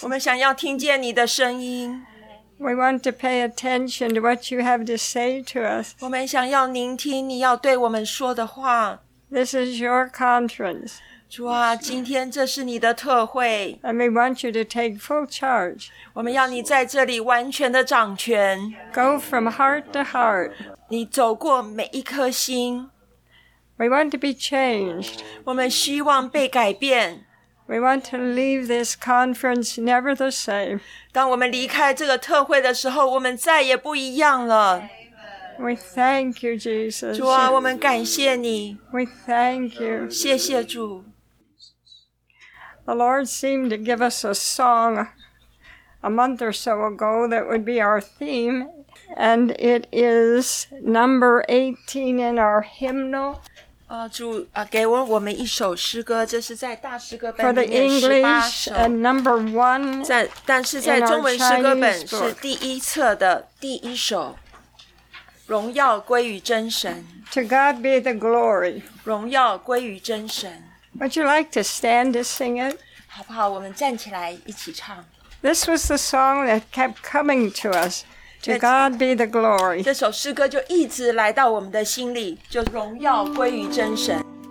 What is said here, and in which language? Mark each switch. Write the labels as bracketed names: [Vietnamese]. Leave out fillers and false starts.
[Chinese] 我们想要听见你的声音。 [English] We want to pay attention to what you have to say to us. [Chinese] 我们想要聆听你要对我们说的话。 [English] This is your conference. [Chinese] 主啊，今天这是你的特会。 [English] And we want you to take full charge. [Chinese] 我们要你在这里完全的掌权。 [English] Go from heart to heart. [Chinese] 你走过每一颗心。 [English] We want to be changed. [Chinese] 我们希望被改变。 [English] We want to leave this conference never the same. [Chinese] 当我们离开这个特会的时候，我们再也不一样了。 [English] We thank you, Jesus. [Chinese] 主啊，我们感谢你。 [English] We thank you. [Chinese] 谢谢主。 [English] The Lord seemed to give us a song a month or so ago that would be our theme, and it is number 18 in our hymnal. [Chinese] 主啊，给我们一首诗歌，这是在大诗歌本里面 18首。 [English] For the English, and number one. [Chinese] 但是在中文诗歌本是第一册的第一首。荣耀归于真神。 [English] To God be the glory. [Chinese] 荣耀归于真神。 [English] Would you like to stand to sing it? [Chinese] 好不好？我们站起来一起唱。 [English] This was the song that kept coming to us. To God be the glory. [Chinese] 这首诗歌就一直来到我们的心里，就荣耀归于真神。